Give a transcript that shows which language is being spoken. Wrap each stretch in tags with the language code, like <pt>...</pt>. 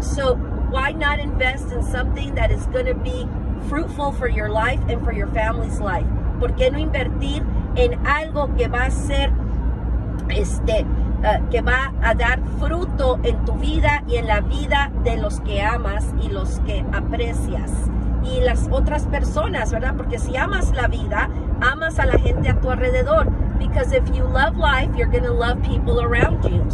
<en>So why not invest in something that is going to be fruitful for your life and for your family's life?</en> <es>¿Por qué no invertir en algo que va a ser, que va a dar fruto en tu vida y en la vida de los que amas y los que aprecias y las otras personas, ¿verdad? Porque si amas la vida, amas a la gente a tu alrededor.</es> <en>Because if you love life, you're going to love people around you.</en>